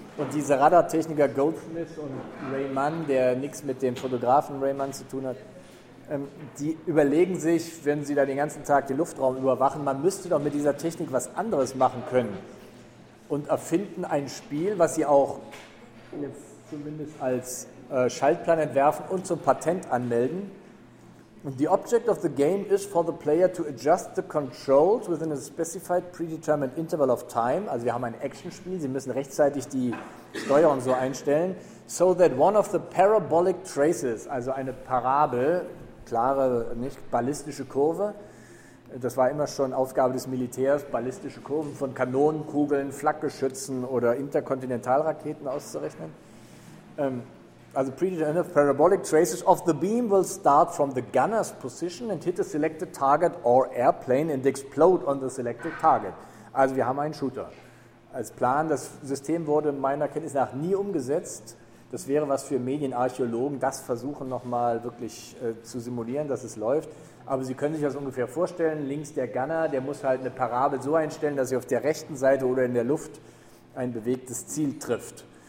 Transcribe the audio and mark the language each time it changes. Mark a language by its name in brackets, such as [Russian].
[German] Und diese Radartechniker Goldsmith und Ray Mann, der nichts mit dem Fotografen Ray Mann zu tun hat, die überlegen sich, wenn sie da den ganzen Tag den Luftraum überwachen, man müsste doch mit dieser Technik was anderes machen können. Und erfinden ein Spiel, was sie auch jetzt zumindest als Schaltplan entwerfen und zum Patent anmelden. [English] And the object of the game is for the player to adjust the controls within a specified predetermined interval of time. [German] Also wir haben ein Actionspiel, Sie müssen rechtzeitig die Steuerung so einstellen. [English] So that one of the parabolic traces, [German] also eine Parabel, klare, nicht ballistische Kurve, das war immer schon Aufgabe des Militärs, ballistische Kurven von Kanonenkugeln, Flakgeschützen oder Interkontinentalraketen auszurechnen. [English] Also predetermined parabolic traces of the beam will start from the gunner's position and hit a selected target or airplane and explode on the selected target. [German] Also wir haben einen Shooter. Als Plan, das System wurde meiner Kenntnis nach nie umgesetzt. Das wäre was für Medienarchäologen, das versuchen nochmal wirklich zu simulieren, dass es läuft. Aber Sie können sich das ungefähr vorstellen, links der Gunner, der muss halt eine Parabel so einstellen, dass sie auf der rechten Seite oder in der Luft ein bewegtes Ziel trifft.